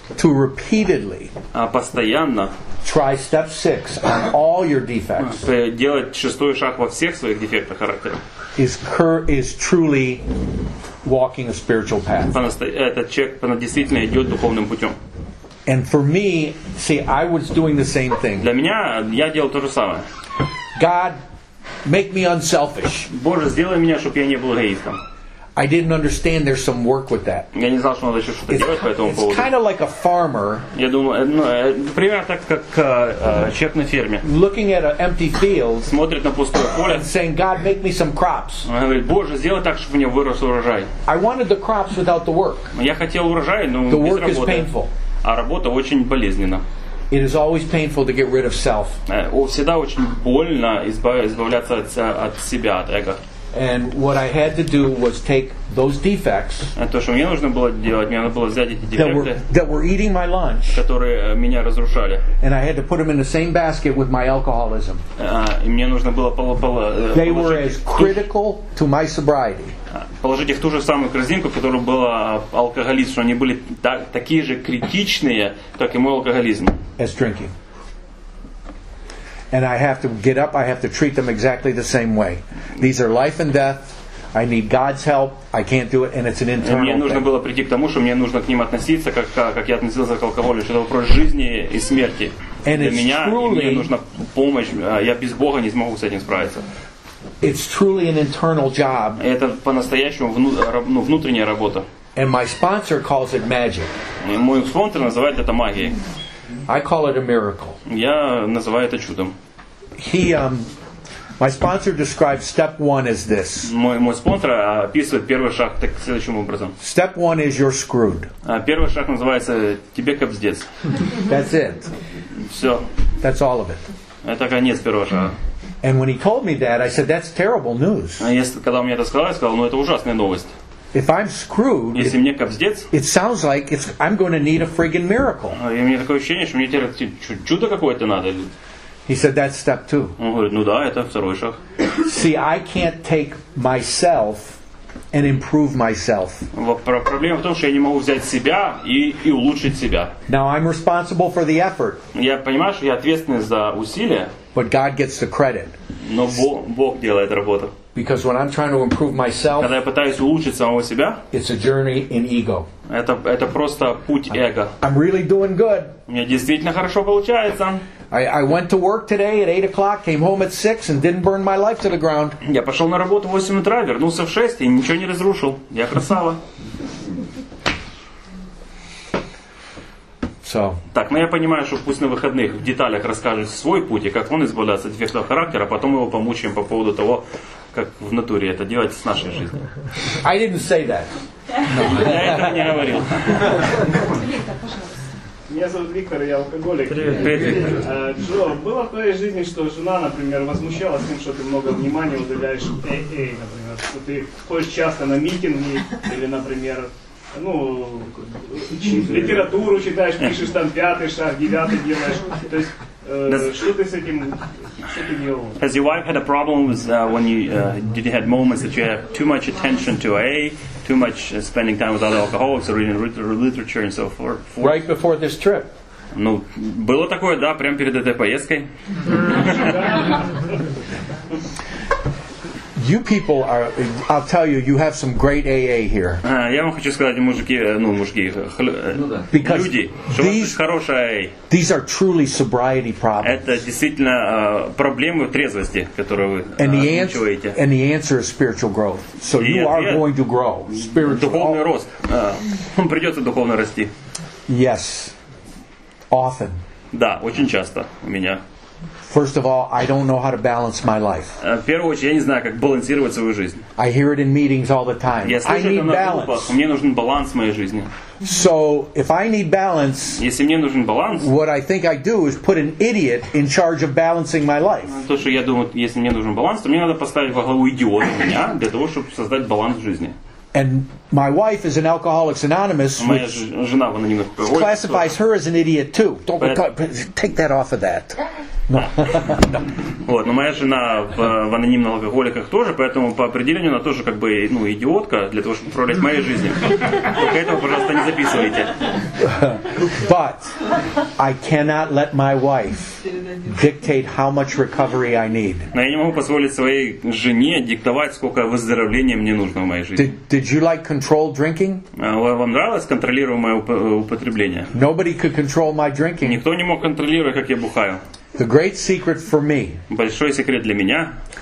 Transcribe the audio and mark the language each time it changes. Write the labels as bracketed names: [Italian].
[English] To repeatedly. [Russian] Постоянно. [English] Try step 6 on all your defects. [Russian] Делать шестой шаг во всех своих дефектах характера. [English] Is truly walking a spiritual path. [Russian] Этот человек действительно идет духовным путем. [English] And for me, see, I was doing the same thing. [Russian] Для меня я делал то же самое. [English] God, make me unselfish. [Russian] Боже, сделай меня, чтобы я не был эгоистом. [English] I didn't understand there's some work with that. [Russian] Я не знал, что надо еще что-то делать по этому поводу. [English] It's kind of like a farmer. [Russian] Я думал, ну, примерно так, как человек на ферме. [English] Looking at an empty field. [Russian] Смотрит на пустое поле. [English] And saying, God, make me some crops. [Russian] Он говорит, Боже, сделай так, чтобы у меня вырос урожай. [English] I wanted the crops without the work. [Russian] Я хотел урожай, но без работы. [English] The work is painful. [Russian] А работа очень болезненна. [English] It is always painful to get rid of self. [Russian] Всегда очень больно избавляться от себя, от эго. [English] And what I had [Russian] то, что мне нужно было делать, мне надо было взять эти дефекты, [English] eating my lunch, [Russian] которые меня разрушали. [English] And I had to put them in the same basket with my alcoholism. [Russian] И мне нужно было [English] They were as critical to my sobriety. [Russian] положить их в ту же самую корзинку, в которой был алкоголизм, что они были такие же критичные, как и мой алкоголизм. [English] As drinking. And I have to get up, I have to treat them exactly the same way. These are life and death. I need God's help. I can't do it, and it's an internal thing. [Russian] Мне нужно было прийти к тому, что мне нужно к ним относиться, как я относился к алкоголю, что это вопрос жизни и смерти. [English] And [Russian] для меня [English] truly, [Russian] и мне нужна помощь. Я без Бога не смогу с этим справиться. [English] It's truly an internal job. [Russian] Это по-настоящему внутренняя работа. [English] And my sponsor calls it magic. [Russian] И мой спонсор называет это магией. [English] I call it a miracle. [Russian] Я называю это чудом. [English] My sponsor describes step one as this. [Russian] Мой спонсор описывает первый шаг так следующим образом. [English] Step one is you're screwed. [Russian] Первый шаг называется тебе кобздец. [English] That's it. [Russian] Все. [English] That's all of it. [Russian] Это конец первого шага. [English] And when he told me that, I said that's terrible news. [Russian] Когда он мне это сказал, я сказал, ну это ужасная новость. [English] If I'm screwed, [Russian] если мне кобздец, [English] it sounds like I'm going to need a friggin' miracle. [Russian] У меня такое ощущение, что мне теперь чудо какое-то надо. [English] He said that's step two. [Russian] Он говорит, ну да, это второй шаг. [English] See, I can't take myself and improve myself. [Russian] Проблема в том, что я не могу взять себя и улучшить себя. [English] Now I'm responsible for the effort. [Russian] Я понимаю, что я ответственный за усилия. [English] But God gets the credit. [Russian] Но Бог делает работу. [English] Because when I'm trying to improve myself, [Russian] когда я пытаюсь улучшить самого себя, [English] it's a journey in ego. [Russian] Это просто путь эго. [English] I'm really doing good. [Russian] У меня действительно хорошо получается. [English] I went to work today at 8 o'clock, came home at 6 and didn't burn my life to the ground. [Russian] Я пошел на работу в 8 утра, вернулся в 6 и ничего не разрушил. Я красава. [English] So. [Russian] Так, ну я понимаю, что пусть на выходных в деталях расскажет свой путь и как он избавляется от дефектного характера, а потом его помучаем по поводу того, как в натуре это делать с нашей жизнью. [English] I didn't say that. [Russian] Я этого не говорил. Меня зовут Виктор, я алкоголик. Привет, Виктор. Джо, было в твоей жизни, что жена, например, возмущалась тем, что ты много внимания уделяешь эй, например, что ты ходишь часто на митинги, или, например, ну, литературу читаешь, пишешь там пятый шаг, девятый делаешь. То есть, [English] Has your wife had a problem with when you did you had moments that you have too much attention to AA, too much spending time with other alcoholics or reading literature and so forth? Right before this trip. [Russian] Ну, было такое, да, прямо перед этой поездкой. [English] You people are, I'll tell you, you have some great AA here. [Russian] Я вам хочу сказать, мужики, ну, мужики, люди, что у вас хорошая AA. [English] These are truly sobriety problems. [Russian] Это действительно проблемы трезвости, которые вы [English] ощущаете. And the answer is spiritual growth. So you are going to grow. Spiritual. [Russian] Духовный рост. Вам придется духовно расти. [English] Yes. Often. [Russian] Да, очень часто у меня. [English] First of all, I don't know how to balance my life. [Russian] В первую очередь, я не знаю, как балансировать свою жизнь. [English] I hear it in meetings all the time. [Russian] Я слышу [English] I need [Russian] это на группах. Мне нужен баланс в моей жизни. [English] So, if I need balance, [Russian] если мне нужен баланс, [English] what I think I do is put an idiot in charge of balancing my life. [Russian] То, что я думаю, если мне нужен баланс, то мне надо поставить во главу идиота меня для того, чтобы создать баланс в жизни. [English] And my wife is an Alcoholics Anonymous, which classifies her as an idiot too. Don't take that off of that. [Russian] Вот, но моя жена в анонимных алкоголиках тоже, поэтому по определению она тоже как бы ну идиотка для того, чтобы управлять моей жизнью. Только этого, пожалуйста, не записывайте. [English] But I cannot let my wife dictate how much recovery I need. [Russian] Но я не могу позволить своей жене диктовать, сколько выздоровления мне нужно в моей жизни. [English] Did you like controlled drinking? [Russian] Вам нравилось контролируемое употребление? [English] Nobody could control my drinking. [Russian] Никто не мог контролировать, как я бухаю. [English] The great secret for me. [Russian] Большой секрет для меня.